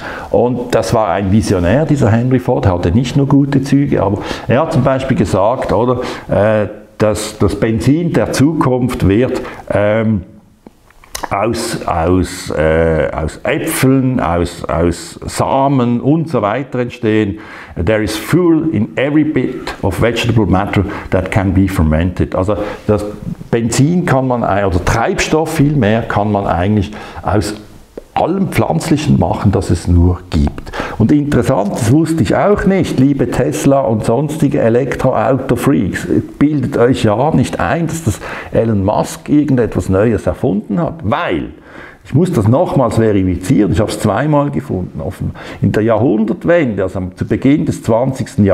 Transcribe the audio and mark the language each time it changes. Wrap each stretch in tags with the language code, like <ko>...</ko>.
<de>Und das war ein Visionär, dieser Henry Ford, er hatte nicht nur gute Züge, aber er hat zum Beispiel gesagt, oder, dass das Benzin der Zukunft wird aus Äpfeln, aus Samen und so weiter entstehen.</de> <en>There is fuel in every bit of vegetable matter that can be fermented.</en> <de>Also das Benzin kann man, oder Treibstoff vielmehr, kann man eigentlich aus allem Pflanzlichen machen, das es nur gibt. Und interessant, das wusste ich auch nicht, liebe Tesla und sonstige Elektroauto-Freaks, bildet euch ja nicht ein, dass das Elon Musk irgendetwas Neues erfunden hat, weil, ich muss das nochmals verifizieren, ich habe es zweimal gefunden, in der Jahrhundertwende, also zu Beginn des 20.</de>